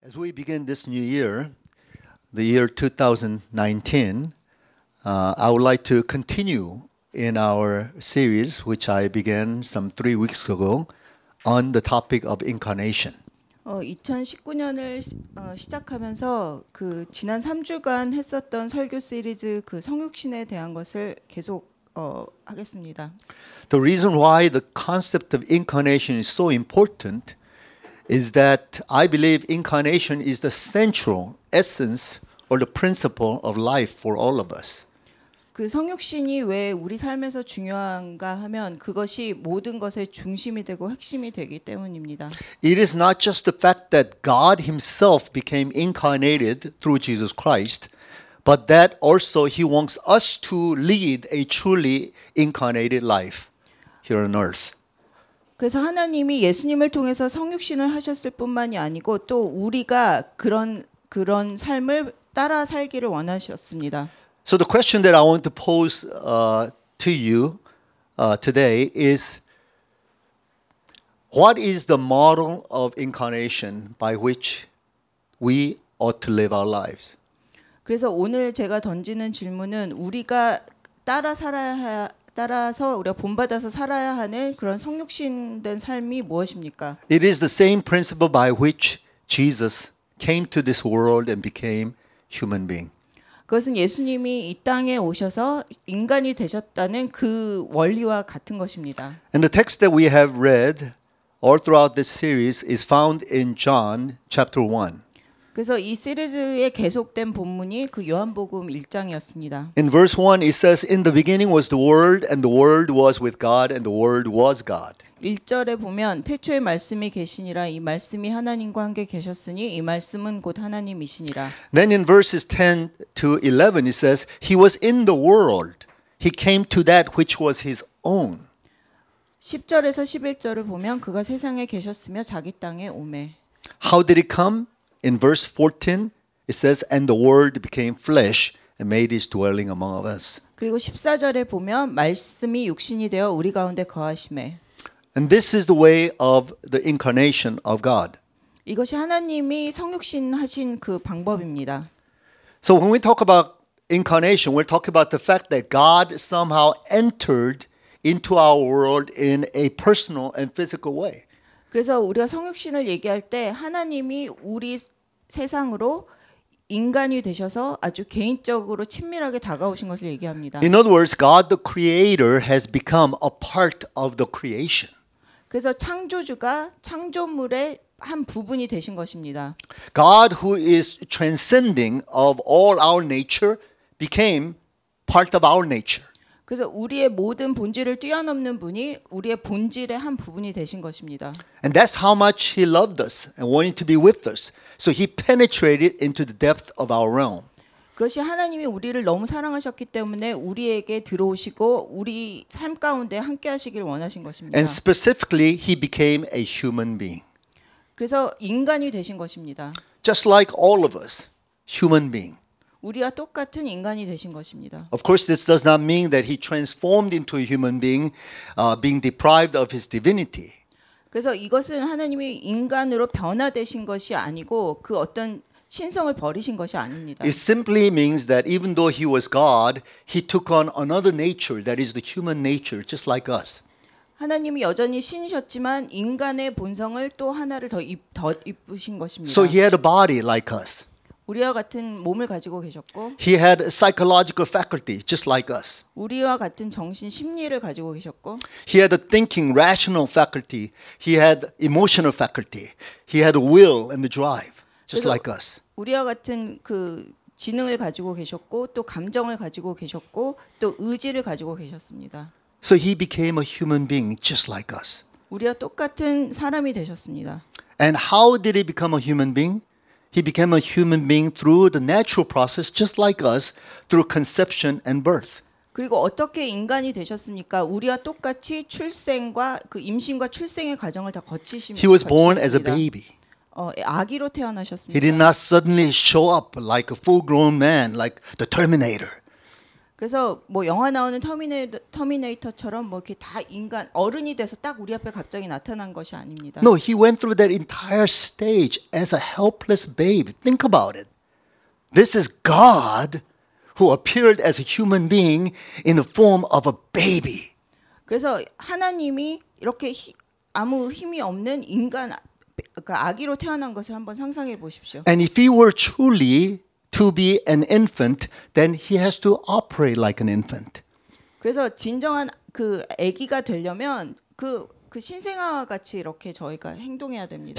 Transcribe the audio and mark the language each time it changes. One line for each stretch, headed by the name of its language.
English: As we begin this new year, the year 2019, I would like to continue in our series, which I began some 3 weeks ago, on the topic of incarnation.
Korean: 2019년을 시작하면서 그 지난 3주간 했었던 설교 시리즈 그 성육신에 대한 것을 계속 하겠습니다.
English: The reason why the concept of incarnation is so important is that I believe incarnation is the central essence or the principle of life for all of us.
Korean: 그 성육신이 왜 우리 삶에서 중요한가 하면 그것이 모든 것의 중심이 되고 핵심이 되기 때문입니다.
English: It is not just the fact that God himself became incarnated through Jesus Christ, but that also he wants us to lead a truly incarnated life here on earth.
Korean: 그래서 하나님이 예수님을 통해서 성육신을 하셨을 뿐만이 아니고 또 우리가 그런 삶을 따라 살기를 원하셨습니다.
English: So the question that I want to pose to you today is, what is the model of incarnation by which we ought to live our lives?
Korean: 그래서 오늘 제가 던지는 질문은 우리가 따라서 우리가 본받아서 살아야 하는 그런 성육신된 삶이 무엇입니까?
English: It is the same principle by which Jesus came to this world and became human being.
Korean: 그것은 예수님이 이 땅에 오셔서 인간이 되셨다는 그 원리와 같은 것입니다.
English: And the text that we have read all throughout this series is found in John chapter 1.
Korean: 그래서 이 시리즈에 계속된 본문이 그 요한복음 1장이었습니다.
English: In verse 1 it says in the beginning was the word and the word was with God and the word was God.
Korean: 1절에 보면 태초에 말씀이 계시니라 이 말씀이 하나님과 함께 계셨으니 이 말씀은 곧 하나님이시니라.
English: Then in verses 10 to 11 it says he was in the world. He came to that which was his own.
Korean: 10절에서 11절을 보면 그가 세상에 계셨으며 자기 땅에 오매.
English: How did he come? In verse 14 it says and the word became flesh and made his dwelling among us.
Korean: 그리고 14절에 보면 말씀이 육신이 되어 우리 가운데 거하시매.
English: And this is the way of the incarnation of God.
Korean: 이것이 하나님이 성육신 하신 그 방법입니다.
English: So when we talk about incarnation, we're talking about the fact that God somehow entered into our world in a personal and physical way.
Korean: 그래서 우리가 성육신을 얘기할 때 하나님이 우리 세상으로 인간이 되셔서 아주 개인적으로 친밀하게 다가오신 것을 얘기합니다.
English: In other words, God the creator has become a part of the creation.
Korean: 그래서 창조주가 창조물의 한 부분이 되신 것입니다.
English: God who is transcending of all our nature became part of our nature.
Korean: 그래서 우리의 모든 본질을 뛰어넘는 분이 우리의 본질의 한 부분이 되신 것입니다.
English: And that's how much he loved us and wanted to be with us. So he penetrated into the depth of our realm.
Korean: 그것이 하나님이 우리를 너무 사랑하셨기 때문에 우리에게 들어오시고 우리 삶 가운데 함께 하시길 원하신 것입니다.
English: And specifically, he became a human being.
Korean: 그래서 인간이 되신 것입니다.
English: Just like all of us, human being.
Korean: 우리와 똑같은 인간이 되신 것입니다.
English: Of course, this does not mean that he transformed into a human being, being deprived of his divinity.
Korean: 그래서 이것은 하나님이 인간으로 변화되신 것이 아니고 그 어떤 신성을 버리신 것이 아닙니다.
English: It simply means that even though he was God, he took on another nature, that is the human nature, just like us.
Korean: 하나님이 여전히 신이셨지만 인간의 본성을 또 하나를 더 입으신 것입니다.
English: So he had a body like us.
Korean: 우리와 같은 몸을 가지고 계셨고
English: He had a psychological faculty just like us.
Korean: 우리와 같은 정신 심리를 가지고 계셨고
English: He had a thinking rational faculty. He had emotional faculty. He had a will and the drive. Just like us.
Korean: 우리와 같은 그 지능을 가지고 계셨고 또 감정을 가지고 계셨고 또 의지를 가지고 계셨습니다.
English: So he became a human being just like us.
Korean: 우리와 똑같은 사람이 되셨습니다.
English: And how did he become a human being? He became a human being through the natural process just like us through conception and birth.
Korean: 그리고 어떻게 인간이 되셨습니까? 우리와 똑같이 출생과 그 임신과 출생의 과정을 다 거치십니다.
English: He was born as a baby.
Korean: 아기로 태어나셨습니다.
English: He did not suddenly show up like a full-grown man, like the Terminator.
Korean: 그래서 뭐 영화 나오는 터미네이터처럼 뭐 이렇게 다 인간 어른이 돼서 딱 우리 앞에 갑자기 나타난 것이 아닙니다.
English: No, he went through that entire stage as a helpless babe. Think about it. This is God who appeared as a human being in the form of a baby.
Korean: 그래서 하나님이 이렇게 아무 힘이 없는 인간 그러니까 아기로 태어난 것을 한번 상상해 보십시오.
English: And if he were truly to be an infant, then he has to operate like an infant.
Korean: 그래서 진정한 그 아기가 되려면 그 신생아와 같이 이렇게 저희가 행동해야 됩니다.